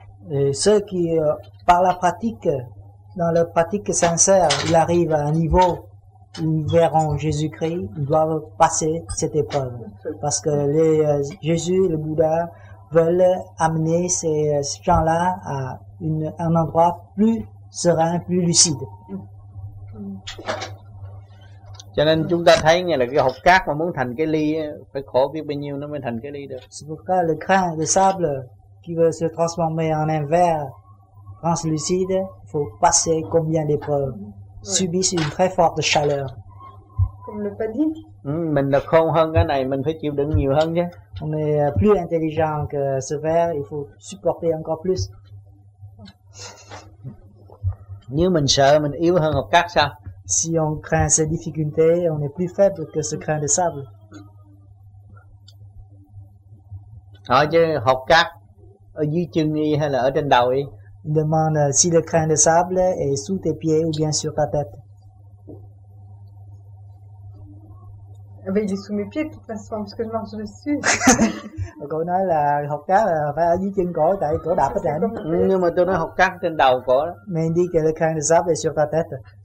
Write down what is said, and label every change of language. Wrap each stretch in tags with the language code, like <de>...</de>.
<fr>Et ceux qui par la pratique, dans la pratique sincère, ils arrivent à un niveau où ils verront Jésus-Christ, ils doivent passer cette épreuve. Parce que Jésus et le Bouddha veulent amener ces gens-là à un endroit plus serein, plus lucide.</fr> <vi>Cho nên chúng ta thấy là cái hộp cát mà muốn thành cái ly phải khổ biết bao nhiêu nó mới thành cái ly được.</vi> <fr>C'est pourquoi le grain de sable qui veut se transformer en un verre translucide, il faut passer combien d'épreuves, subissent une très forte chaleur. Comme le padi.</fr> <vi>Mình là khôn hơn cái này, mình phải chịu đựng nhiều hơn chứ.</vi> <fr>On est plus intelligent que ce verre, il faut supporter encore plus.</fr> <vi>Nếu mình sợ mình yếu hơn hộp cát sao?</vi> <fr>Si on craint ces difficultés, on est plus faible que ce grain de sable.</fr> <vi>Hỏi chứ hộp cát ở dưới chân y hay là ở trên đầu y?</vi> <fr>Il demande si le grain de sable est sous tes pieds ou bien sur ta tête. Ah ben il est sous mes pieds de toute façon parce que je marche dessus.</fr> <vi>Cậu nói là hộp cát là phải ở dưới chân cổ tại cổ đạp hết trơn. Nhưng mà tôi nói hộp cát trên đầu cổ.</vi> <fr>Mais il dit que le grain de sable est sur ta tête.</fr>